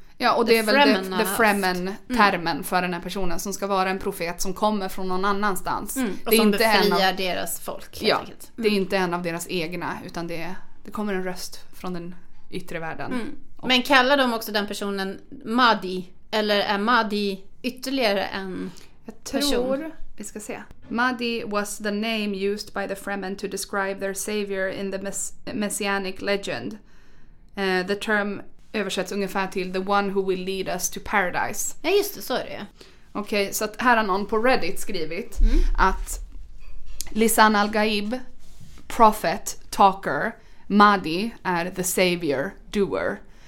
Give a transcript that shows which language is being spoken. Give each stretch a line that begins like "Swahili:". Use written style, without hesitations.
Swedish: Ja, och det är väl the Fremen-termen för den här personen som ska vara en profet som kommer från någon annanstans. Mm. Det är och som inte befriar en av deras folk. Ja, det är inte en av deras egna, utan det kommer en röst från den yttre världen. Mm. Men kallar de också den personen Mahdi? Eller är Mahdi ytterligare en person? Jag tror... Vi ska se.
English: Mahdi was the name used by the Fremen to describe their savior in the messianic legend. The term
Swedish: översätts ungefär till
English: the one who will lead us to paradise.
Swedish: Ja, just det, så är det. Okej, så att här har någon på Reddit skrivit att Lisan Al-Gaib, prophet, talker, Mahdi är the savior, doer.